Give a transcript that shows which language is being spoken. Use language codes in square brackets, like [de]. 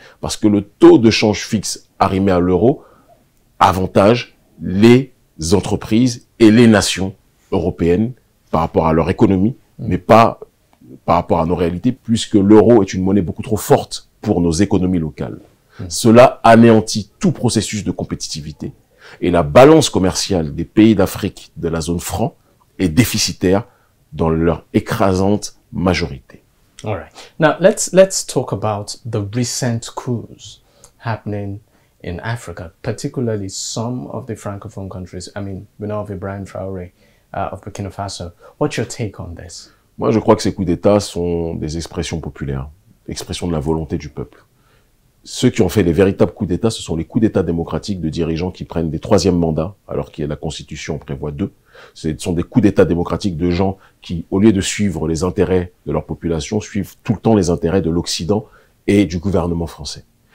[fr] Parce que le taux de change fixe arrimé à l'euro avantage les entreprises et les nations européennes par rapport à leur économie, mais pas par rapport à nos réalités, puisque l'euro est une monnaie beaucoup trop forte pour nos économies locales. Cela anéantit tout processus de compétitivité, et la balance commerciale des pays d'Afrique de la zone franc est déficitaire dans leur écrasante majorité. [en] All right. Now, let's talk about the recent coups happening in Africa, particularly some of the francophone countries. I mean, we know of Ibrahim Traoré of Burkina Faso. What's your take on this? [fr] Moi, je crois que ces coups d'État sont des expressions populaires, expressions de la volonté du peuple. Ceux qui ont fait les véritables coups d'État, ce sont les coups d'État démocratiques de dirigeants qui prennent des troisièmes mandats, alors que la Constitution prévoit deux. Ce sont des coups d'État démocratiques de gens qui, au lieu de suivre les intérêts de leur population, suivent tout le temps les intérêts de l'Occident et du gouvernement français.